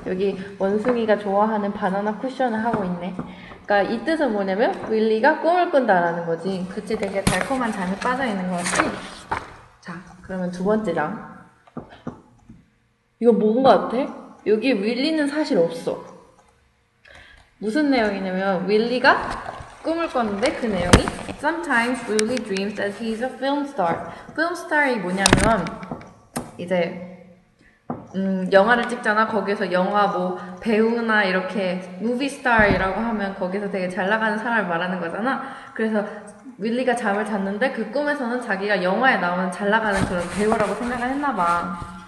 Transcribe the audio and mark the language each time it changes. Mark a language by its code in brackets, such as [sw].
[ko] 여기 원숭이가 좋아하는 바나나 쿠션을 하고 있네. 그러니까 이 뜻은 뭐냐면, Willy가 꿈을 꾼다라는 거지. 그치, 되게 달콤한 잠에 빠져있는 거지. 자, 그러면 두 번째 장. 이거 뭔것 같아? 여기 Willy는 사실 없어. 무슨 내용이냐면, Willy가 꿈을 꿨는데 그 내용이 [en] Sometimes Willy dreams that he's a film star. [ko] Film star이 뭐냐면 이제 영화를 찍잖아. 거기서 영화 뭐 배우나 이렇게 movie star이라고 하면 거기서 되게 잘 나가는 사람을 말하는 거잖아. 그래서 윌리가 잠을 잤는데 그 꿈에서는 자기가 영화에 나오는 잘 나가는 그런 배우라고 생각을 했나 봐.